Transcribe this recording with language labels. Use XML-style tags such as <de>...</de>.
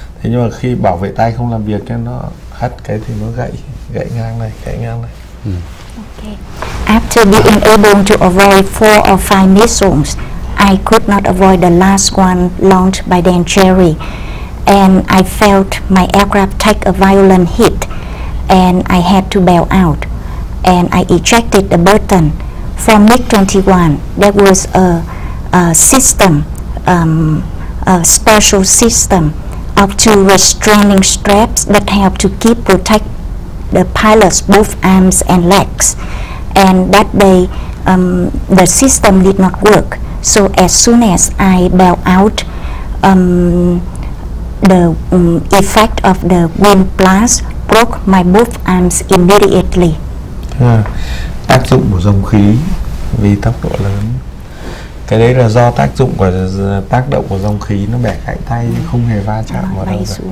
<vi>Thế nhưng mà khi bảo vệ tay không làm việc, nó hất cái thì nó gãy ngang này.</vi> <en>Okay. After being able to avoid four or five missiles, I could not avoid the last one launched by the Angeri, and I felt my aircraft take a violent hit, and I had to bail out, and I ejected the button. From MiG-21, there was a system, a special system of two restraining straps that help to keep protect the pilot's both arms and legs. And that day, the system did not work. So as soon as I bailed out, the effect of the wind blast broke my both arms immediately.</en> <vi>Tác dụng của dòng khí vì tốc độ lớn. Cái đấy là do tác động của dòng khí, nó bẻ gãy tay không hề va chạm vào đâu.</vi>